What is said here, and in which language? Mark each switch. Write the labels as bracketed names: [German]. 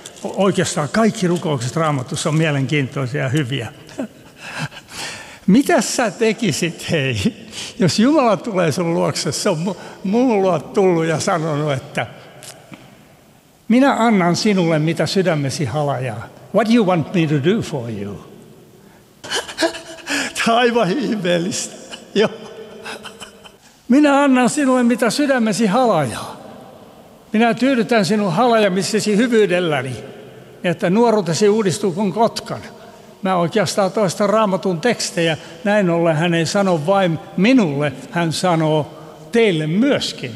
[Finnish] oikeastaan kaikki rukoukset Raamatussa on mielenkiintoisia ja hyviä. Mitä sä tekisit, hei, jos Jumala tulee sun luokse, se on mun luo tullut ja sanonut, että minä annan sinulle, mitä sydämesi halajaa. [English] What do you want me to do for you? [Finnish] Tämä on aivan ihmeellistä. Minä annan sinulle, mitä sydämesi halajaa. Minä tyydytän sinun halajamisesi hyvyydelläni, että nuoruutesi uudistuu kuin kotkan. Mä oikeastaan toistan Raamatun tekstejä. Näin ollen hän ei sano vain minulle, hän sanoo teille myöskin.